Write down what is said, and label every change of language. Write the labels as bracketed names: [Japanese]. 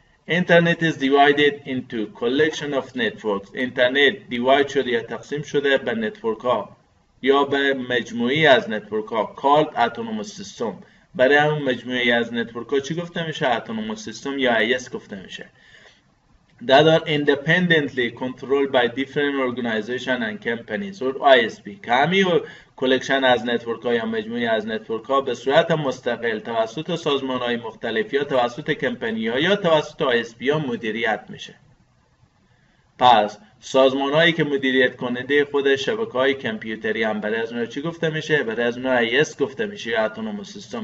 [English] Internet is divided into collection of networks. [Persian] Internet divide شده یا تقسیم شده به نتورک ها یا به مجموعی از نتورک ها [English] called autonomous system. [Persian] برای همون مجموعی از نتورک ها چی گفته میشه؟ autonomous system یا IS گفته میشه. [English] That are independently controlled by different organizations and companies or ISP. [Persian] کمی و کلکشن از نتورک ها یا مجموعی از نتورک ها به صورت مستقل توسط سازمان های مختلف یا توسط کمپنی ها یا توسط ISP ها مدیریت میشه. پس سازمان هایی که مدیریت کننده خود شبکه های کمپیوتری هم برای از اونها چی گفته میشه؟ برای از اونها IS گفته میشه یا اتونوموس سیستم.